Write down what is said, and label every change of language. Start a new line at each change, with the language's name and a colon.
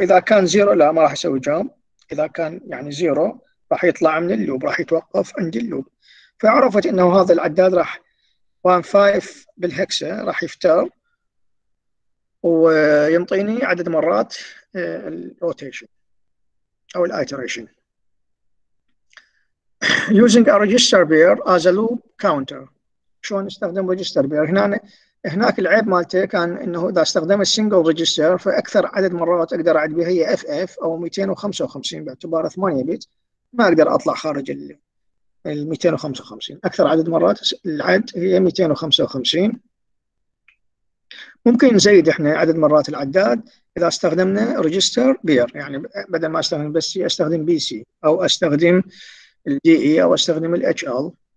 Arabic: إذا كان zero لا ما راح يسوي jump. إذا كان يعني zero راح يطلع من loop راح يتوقف عند loop. فعرفت إنه هذا العداد راح 15 بالهكسة راح يفتر وينطيني عدد مرات الروتيشن أو الايتريشن.
English: Using a register pair as a loop counter.
Arabic: شلون نستخدم register pair؟ هنا هناك العيب مالته كان انه اذا استخدمت single register فاكثر عدد مرات اقدر اعد بها هي FF او 255 باعتبار 8 بت ما اقدر اطلع خارج ال 255. اكثر عدد مرات العد هي 255. ممكن نزيد احنا عدد مرات العداد اذا استخدمنا register pair، يعني بدل ما استخدم بس سي استخدم بي سي او استخدم الدي اي او استخدم الاتش ال.